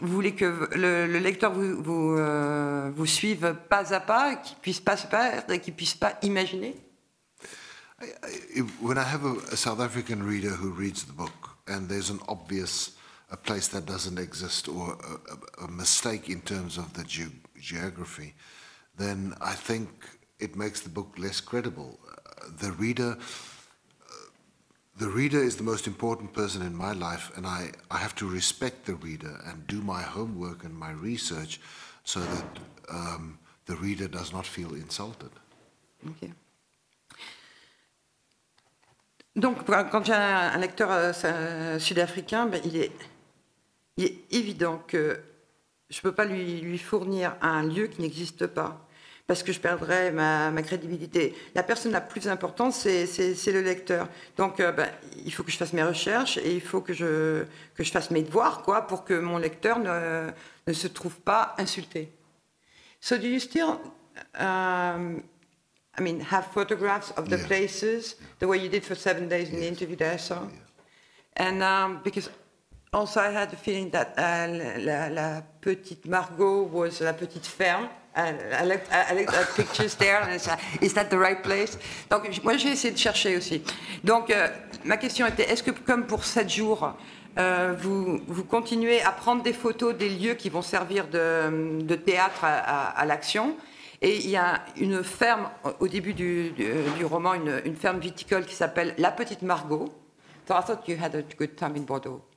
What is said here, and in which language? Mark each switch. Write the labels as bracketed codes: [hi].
[fr] Vous voulez que le lecteur vous suive pas à pas, qu'il puisse pas se perdre et qu'il puisse pas imaginer? [en] When I have a South African reader who reads the book, and there's an obvious a place that doesn't exist or a mistake in terms of the geography, then I think it makes the book less credible. The reader is the most important person in my life, and I have to respect the reader and do my homework and my research so that the reader does not feel insulted. OK. [fr] Donc, quand j'ai un lecteur sud-africain, ben, il est évident que je ne peux pas lui fournir un lieu qui n'existe pas, parce que je perdrais ma crédibilité. La personne la plus importante, c'est le lecteur. Donc, il faut que je fasse mes recherches et il faut que je fasse mes devoirs, quoi, pour que mon lecteur ne se trouve pas insulté. [en] So do you still, have photographs of the yeah. places, the way you did for 7 days in yes. the interview that I saw? Yeah. And because also I had the feeling that la petite Margot was la petite ferme. I looked at pictures there, and I said, is that the right place? [fr] Donc, moi, j'ai essayé de chercher aussi. Donc, ma question était, est-ce que, comme pour 7 jours, vous continuez à prendre des photos des lieux qui vont servir de théâtre à l'action? Et il y a une ferme, au début du roman, une ferme viticole qui s'appelle La Petite Margot. So I thought you had a good time in Bordeaux.